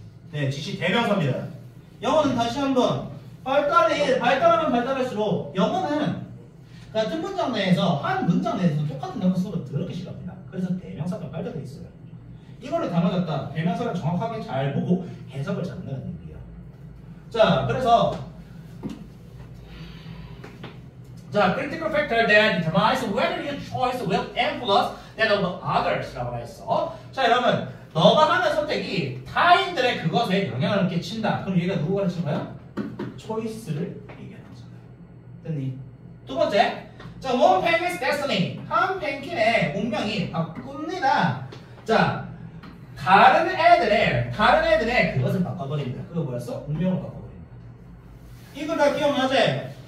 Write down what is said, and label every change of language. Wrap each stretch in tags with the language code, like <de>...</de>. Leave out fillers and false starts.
<ko>네, 지시 대명사입니다. 영어는 다시 한번 발달하면 발달할수록 영어는 같은 문장 내에서 한 문장 내에서 똑같은 단어 쓰고 더럽게 싫어합니다. 그래서 대명사가 깔려져 있어요. 이거를 다 맞았다. 대명사를 정확하게 잘 보고 해석을 잡는다는 얘기예요. 자, 그래서 자,</ko> <en>critical factor that determines whether your choice will influence that of others</en> <ko>라고 했어. 자, 여러분 너가 하는 선택이 타인들의 그것에 영향을 끼친다. 그럼 얘가 누구 가르친 거야? 초이스를 얘기하는 거잖아요. 됐니? 두 번째, 자,</ko> <en>one penguin's destiny.</en> <ko>한 펭귄의 운명이 바꿉니다. 자, 다른 애들의 그것을 바꿔버립니다. 그거 뭐였어? 운명을 바꿔버립니다. 이걸 다 기억나지?</ko>